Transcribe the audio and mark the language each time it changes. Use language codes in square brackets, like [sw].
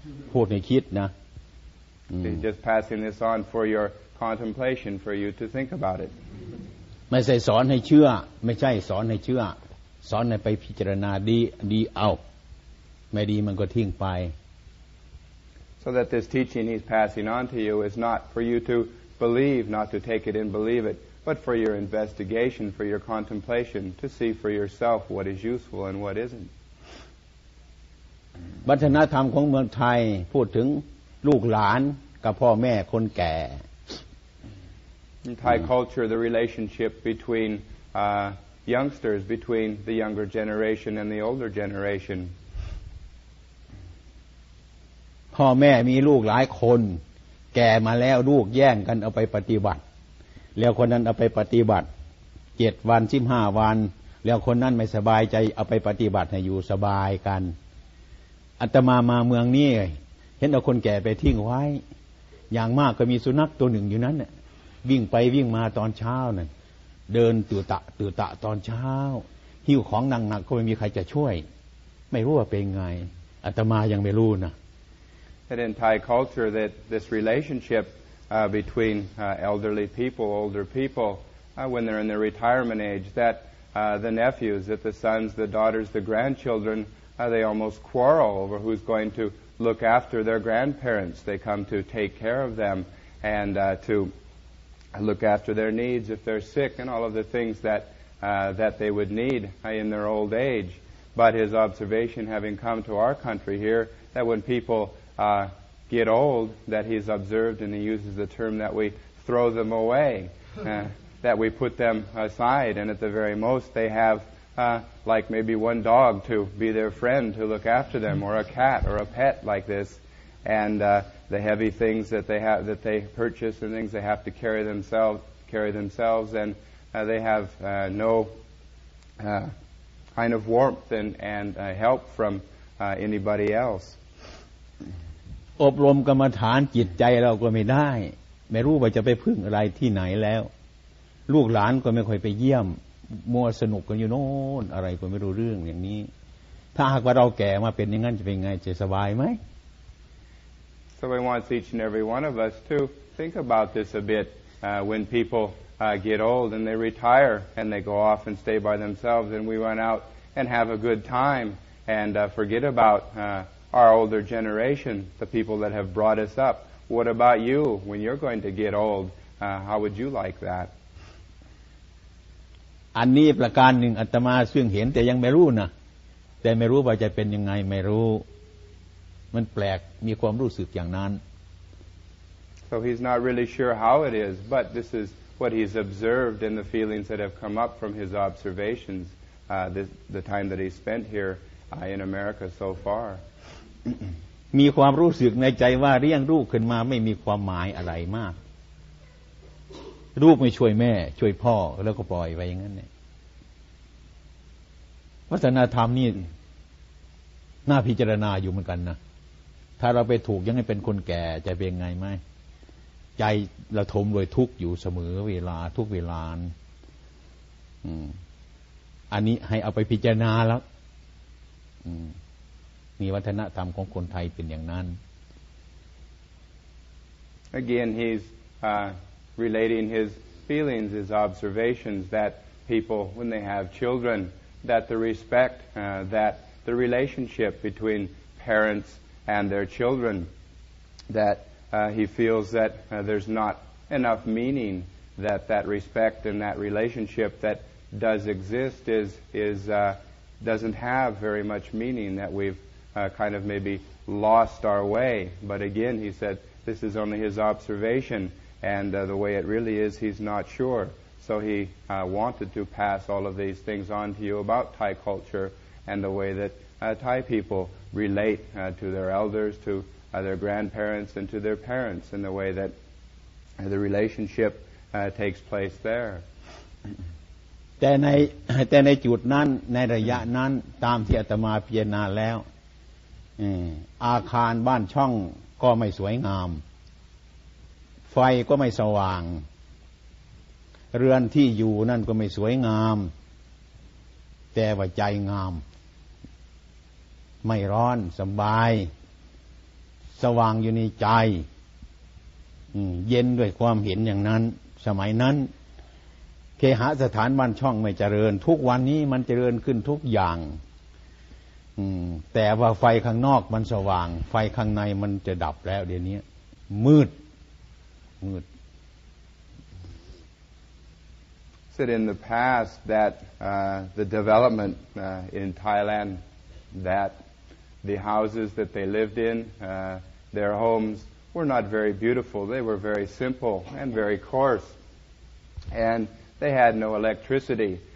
[en] He's just passing this on for your contemplation, for you to think about it. [th] ไม่ใช่สอนให้เชื่อไม่ใช่สอนให้เชื่อสอนให้ไปพิจารณาดีดีเอาไม่ดีมันก็ทิ้งไป [en] So that this teaching he's passing on to you is not for you to believe, not to take it and believe it, but for your investigation, for your contemplation, to see for yourself what is useful and what isn't. [th] วัฒนธรรมของเมืองไทยพูดถึงลูกหลานกับพ่อแม่คนแก่ [en] In Thai culture, the relationship between youngsters, between the younger generation and the older generation. [th] พ่อแม่มีลูกหลายคนแก่มาแล้วลูกแย่งกันเอาไปปฏิบัติแล้วคนนั้นเอาไปปฏิบัติ7วัน15วันแล้วคนนั้นไม่สบายใจเอาไปปฏิบัติให้อยู่สบายกันอาตมามาเมืองนี้เห็นเอาคนแก่ไปทิ้งไว้อย่างมากก็มีสุนัขตัวหนึ่งอยู่นั้นเนี่ยวิ่งไปวิ่งมาตอนเช้าน่ะเดินตื่ตะตื่ตะตอนเช้าหิ้วของหนักๆก็ไม่มีใครจะช่วยไม่รู้ว่าเป็นไงอาตมายังไม่รู้นะ [en] And in Thai culture that this relationship between elderly people older people when they're in their retirement age that the nephews that the sons the daughters the grandchildren they almost quarrel over who's going toLook after their grandparents. They come to take care of them and to look after their needs if they're sick and all of the things that that they would need in their old age. But his observation, having come to our country here, that when people get old, that he's observed and he uses the term that we throw them away, that we put them aside, and at the very most they have. Like maybe one dog to be their friend to look after them, or a cat or a pet like this, and the heavy things that they have that they purchase and things they have to carry themselves, and they have no kind of warmth and help from anybody else. [th] อบรมกรรมฐานจิตใจเราก็ไม่ได้ไม่รู้ว่าจะไปพึ่งอะไรที่ไหนแล้วลูกหลานก็ไม่ค่อยไปเยี่ยมมัวสนุกกันอยู่โน่นอะไรก็ไม่รู้เรื่องอย่างนี้ถ้าหากว่าเราแก่มาเป็นอย่างนั้นจะเป็นไงจะสบายไหม [en] So I want each and every one of us to think about this a bit when people get old and they retire and they go off and stay by themselves and we run out and have a good time and forget about our older generation, the people that have brought us up. What about you when you're going to get old? How would you like that? [th] อันนี้ประการหนึ่งอาตมาซึ่งเห็นแต่ยังไม่รู้นะแต่ไม่รู้ว่าจะเป็นยังไงไม่รู้มันแปลกมีความรู้สึกอย่างนั้น [en] So he's not really sure how it is but this is what he's observed and the feelings that have come up from his observations the time that he spent here in America so far [th] มีความรู้สึกในใจว่าเลี้ยงลูกขึ้นมาไม่มีความหมายอะไรมากลูกไม่ช่วยแม่ช่วยพ่อแล้วก็ปล่อยไปอย่างนั้นเนี่ย วัฒนธรรมนี่น่าพิจารณาอยู่เหมือนกันนะถ้าเราไปถูกยังให้เป็นคนแก่จะเป็นไงไหมใจเราทมโดยทุกข์อยู่เสมอเวลาทุกเวลาอันนี้ให้เอาไปพิจารณาแล้วมีวัฒนธรรมของคนไทยเป็นอย่างนั้น [en] Again he'sRelating his feelings, his observations that people, when they have children, that the respect, that the relationship between parents and their children, that he feels that there's not enough meaning, that respect and that relationship that does exist is doesn't have very much meaning, that we've kind of maybe lost our way. But again, he said, this is only his observation. And the way it really is, he's not sure. So he wanted to pass all of these things on to you about Thai culture and the way that Thai people relate to their elders, to their grandparents, and to their parents, and the way that the relationship takes place there. [th] แต่ในจุดนั้นในระยะนั้นตามที่อาตมาพิจารณาแล้วอาคารบ้านช่องก็ไม่สวยงามไฟก็ไม่สว่างเรือนที่อยู่นั่นก็ไม่สวยงามแต่ว่าใจงามไม่ร้อนสบายสว่างอยู่ในใจ เย็นด้วยความเห็นอย่างนั้นสมัยนั้นเคหสถานบ้านช่องไม่เจริญทุกวันนี้มันเจริญขึ้นทุกอย่างแต่ว่าไฟข้างนอกมันสว่างไฟข้างในมันจะดับแล้วเดี๋ยวนี้มืด [en] Said in the past that the development in Thailand, that the houses that they lived in, their homes were not very beautiful. They were very simple and very coarse, and they had no electricity.